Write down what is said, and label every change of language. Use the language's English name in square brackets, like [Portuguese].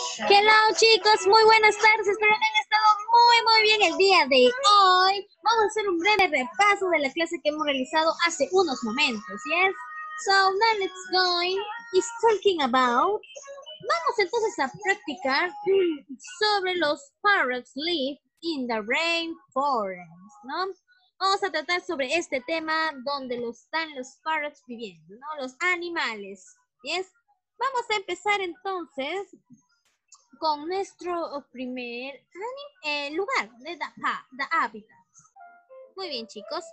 [Spanish] Hello chicos, muy buenas tardes, espero que hayan estado muy muy bien el día de hoy. Vamos a hacer un breve repaso de la clase que hemos realizado hace unos momentos, ¿yes? [English] So now let's go, it's talking about... [Spanish] Vamos entonces a practicar sobre los [English] parrots live in the rainforest, [Spanish] ¿no? Vamos a tratar sobre este tema donde están los parrots viviendo, ¿no? Los animales, ¿yes? Vamos a empezar entonces con nuestro primer lugar, de [English] the habitat. [Spanish] Muy bien, chicos.